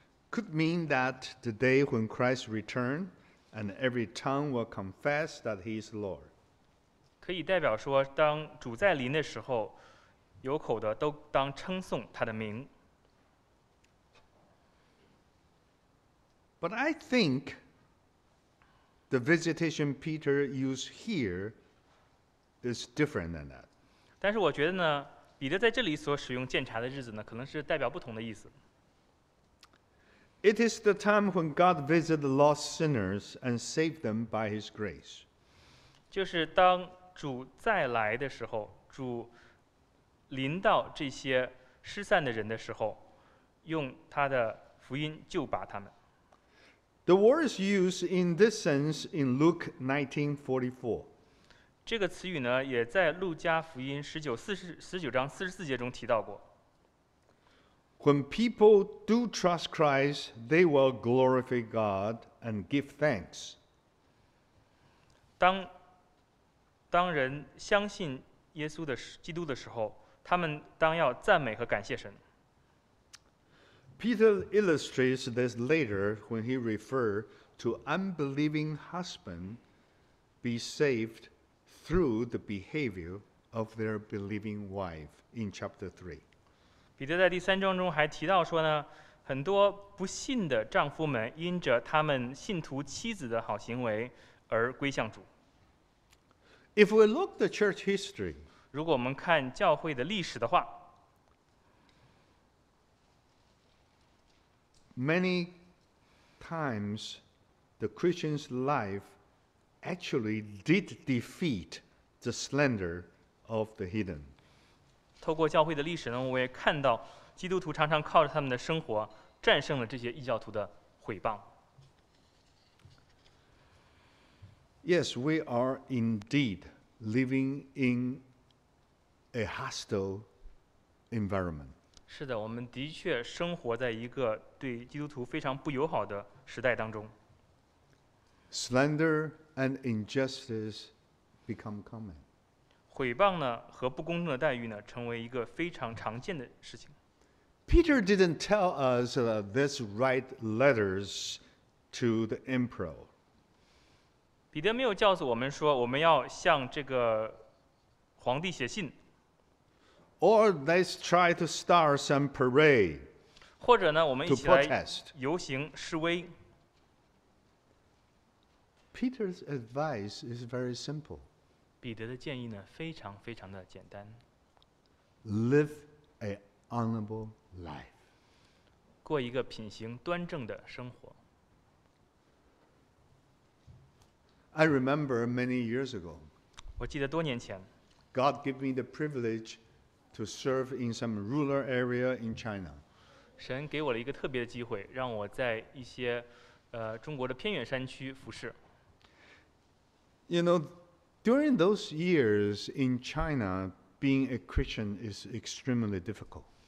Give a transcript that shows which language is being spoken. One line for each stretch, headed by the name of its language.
English: Could mean that the day when Christ returned. And every tongue will confess that he is Lord.
Chinese: 可以代表说，当主再临的时候，有口的都当称颂他的名。
English: But I think the visitation Peter used here is different than that.
Chinese: 但是我觉得呢，彼得在这里所使用鉴察的日子呢，可能是代表不同的意思。
English: It is the time when God visits the lost sinners and saves them by His grace.
Chinese: 就是当主再来的时候，主临到这些失散的人的时候，用他的福音救拔他们。
English: The word is used in this sense in Luke 19:44.
Chinese: 这个词语呢，也在路加福音19章44节中提到过。
English: When people do trust Christ, they will glorify God and give thanks.
Chinese: 当人相信耶稣的基督的时候，他们当要赞美和感谢神。
English: Peter illustrates this later when he referred to unbelieving husband be saved through the behavior of their believing wife in chapter 3.
Chinese: 彼得在第三章中还提到说呢，很多不信的丈夫们因着他们信徒妻子的好行为而归向主。
English: If we look the church history,
Chinese: 如果我们看教会的历史的话
English: ，many times the Christian's life actually did defeat the slander of the hidden.
Chinese: 透过教会的历史呢，我也看到基督徒常常靠着他们的生活战胜了这些异教徒的毁谤。
English: Yes, we are indeed living in a hostile environment.
Chinese: 是的，我们的确生活在一个对基督徒非常不友好的时代当中。
English: Slander and injustice become common.
Chinese: 毁谤呢和不公正的待遇呢成为一个非常常见的事情。
English: Peter didn't tell us this write letters to the emperor.
Chinese: 彼得没有告诉我们说我们要向这个皇帝写信。
English: Or let's try to start some parade.
Chinese: 或者呢我们一起来游行示威。
English: Peter's advice is very simple.
Chinese: 彼得的建议呢非常非常的简单。
English: Live a honorable life.
Chinese: 过一个品行端正的生活。
English: I remember many years ago.
Chinese: 我记得多年前。
English: God gave me the privilege to serve in some rural area in China.
Chinese: 神给我了一个特别的机会，让我在一些中国的偏远山区服侍。
English: You know, during those years in China, being a Christian is extremely difficult.